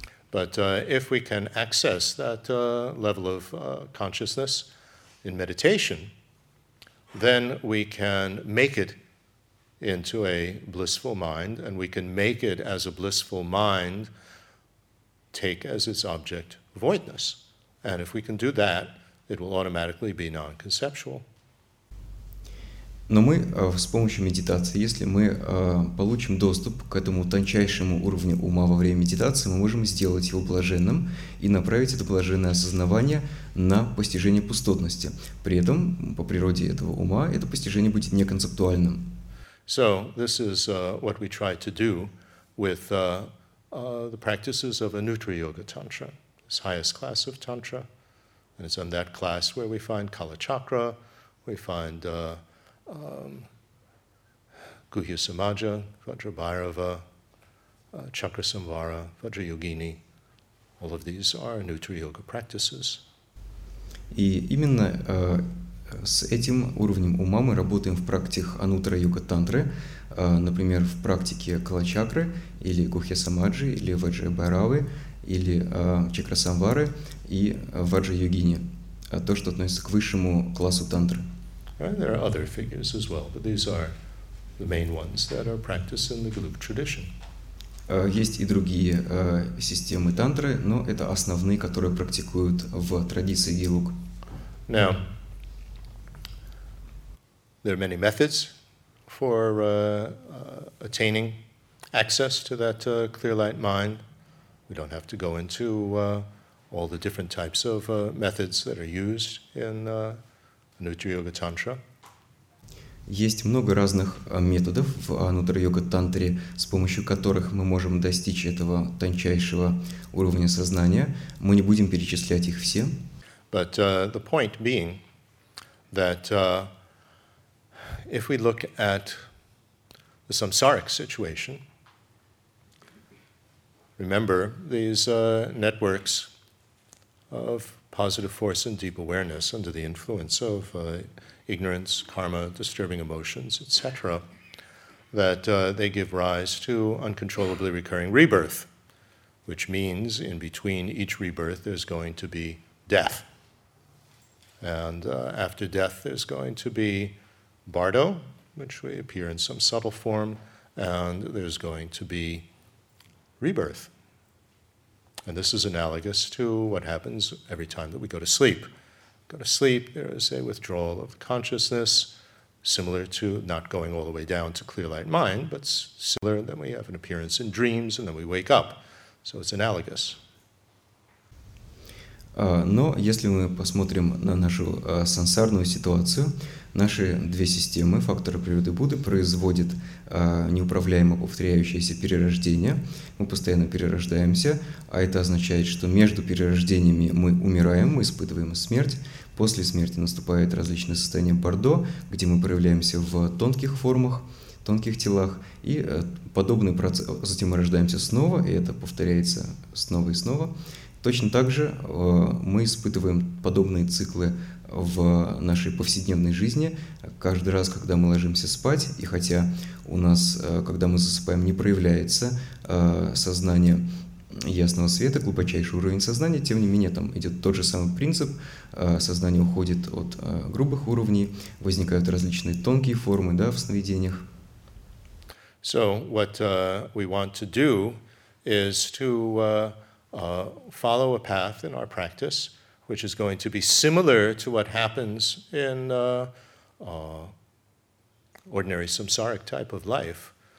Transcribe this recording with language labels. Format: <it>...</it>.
<en>But if we can access that level of consciousness in meditation, then we can make it into a blissful mind, and we can make it as a blissful mind take as its object voidness. And if we can do that, it will automatically be non-conceptual.</en> <ru>Но мы с помощью медитации, если мы получим доступ к этому тончайшему уровню ума во время медитации, мы можем сделать его блаженным и направить это блаженное осознавание на постижение пустотности. При этом, по природе этого ума, это постижение будет неконцептуальным.</ru> <en>So, this is what we try to do with the practices of Anutra Yoga Tantra, this highest class of Tantra. And it's on that class where we find Kala Chakra, we find Guhya Samaja, Vajrabhairava, Chakra Samvara, Vajrayogini. All of these are Anutra Yoga practices.</en> <ru>И именно с этим уровнем ума мы работаем в практиках Анутра Йога Тантры, например, в практике Кала Чакры, или Гухья Самаджи, или Ваджрабхайравы, или Чакра Самвары и Ваджрайогини, то, что относится к высшему классу тантры.</ru> <en>And there are other figures as well, but these are the main ones that are practiced in the Guluk tradition.</en> <ru>Есть и другие системы тантры, но это основные, которые практикуют в традиции Гилук.</ru> <en>Now, there are many methods for attaining access to that clear light mind. We don't have to go into all the different types of methods that are used in Анутра-йога Тантра.</en> <ru>Есть много разных методов в Анутра-йога Тантре, с помощью которых мы можем достичь этого тончайшего уровня сознания. Мы не будем перечислять их все.</ru> <en>But the point being that if we look at the samsaric situation, remember these networks of positive force and deep awareness under the influence of ignorance, karma, disturbing emotions, etc., that they give rise to uncontrollably recurring rebirth, which means in between each rebirth there's going to be death. And after death there's going to be bardo, which we appear in some subtle form, and there's going to be rebirth. And this is analogous to what happens every time that we go to sleep. Go to sleep, there is a withdrawal of consciousness, similar to not going all the way down to clear light mind, but similar, then we have an appearance in dreams, and then we wake up. So it's analogous.</en> <ru>Но если мы посмотрим на нашу сансарную ситуацию, наши две системы, факторы природы Будды, производят неуправляемо повторяющееся перерождение. Мы постоянно перерождаемся, а это означает, что между перерождениями мы умираем, мы испытываем смерть. После смерти наступает различное состояние бардо, где мы проявляемся в тонких формах, тонких телах, и подобный процесс, затем мы рождаемся снова, и это повторяется снова и снова. Точно так же мы испытываем подобные циклы в нашей повседневной жизни. Каждый раз, когда мы ложимся спать, и хотя у нас, когда мы засыпаем, не проявляется сознание ясного света, глубочайший уровень сознания, тем не менее там идет тот же самый принцип. Сознание уходит от грубых уровней, возникают различные тонкие формы, да, в сновидениях.</ru> <en>So what we want to do is to follow a path in our practice, which is going to be similar to what happens in ordinary samsaric type of life.</en>